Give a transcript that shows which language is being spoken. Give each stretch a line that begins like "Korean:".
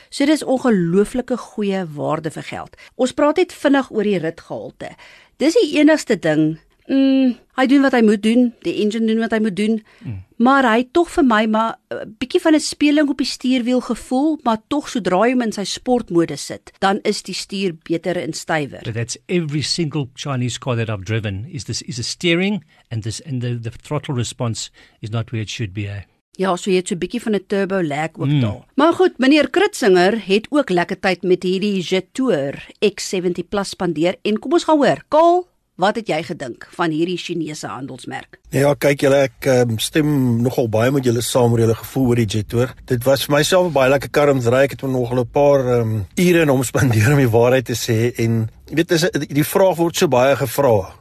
Afrikaans: So dis ongelooflike goeie waarde vir geld. Ons praat net vinnig oor die ritgehalte. Dis die enigste ding. Hy doen wat hy moet doen, die engine doen wat hy moet doen, maar hy tog vir my maar bietjie van 'n speling op die stuurwiel gevoel, maar tog sodra hy hom in sy sportmodus sit, dan is die stuur beter en stywer.
English: But that's every single Chinese car that I've driven is this is a steering and this and the throttle response is not where it should be.
Afrikaans: Ja, so jy het so bietjie van 'n turbo lag ook daar. Maar goed, meneer Kritzinger het ook lekker tyd met hierdie Jet Tour X70 Plus spandeer en kom ons gaan hoor. Kaal, wat het jy gedink van hierdie Chinese handelsmerk? Ja, kyk julle, ek stem nogal baie met julle saam oor julle gevoel oor die Jet Tour. Dit was vir myself baie lekker kar om te ry. Ek het nogal 'n paar ure in hom spandeer om die waarheid te sê en weet as die vraag word so baie gevra.